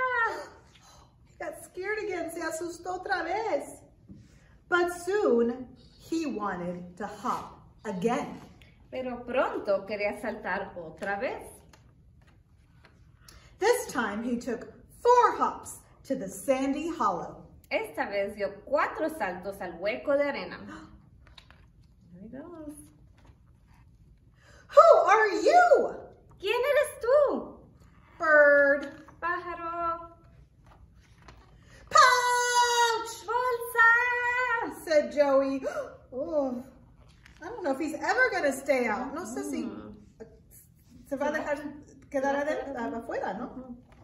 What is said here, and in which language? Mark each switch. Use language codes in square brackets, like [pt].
[en] He got scared again. [es] Se asustó otra vez. [en] But soon he wanted to hop again. [es] Pero pronto quería saltar otra vez. [en] This time he took four hops to the sandy hollow. [es] Esta vez dio cuatro saltos al hueco de arena. [en] There he goes. Who are you? [es] ¿Quién eres tú? [en] Bird. [es] Pájaro. [en] Pouch! [es] Bolsa! [en] Said Joey. Oh, I don't know if he's ever going to stay out. [es] No sé si se va a dejar quedar afuera, ¿no?